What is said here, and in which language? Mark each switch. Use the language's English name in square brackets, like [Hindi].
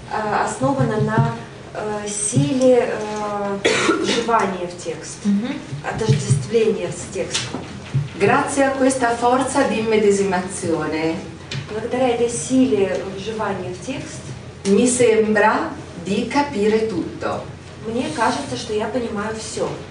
[Russian] Основана на силе вживания в текст, отождествления с текстом. [Italian] Grazie a questa forza di immedesimazione. [Russian] Благодаря этой силе вживания в текст. [Italian] Mi sembra di capire tutto. [Russian] Мне кажется, что я понимаю все.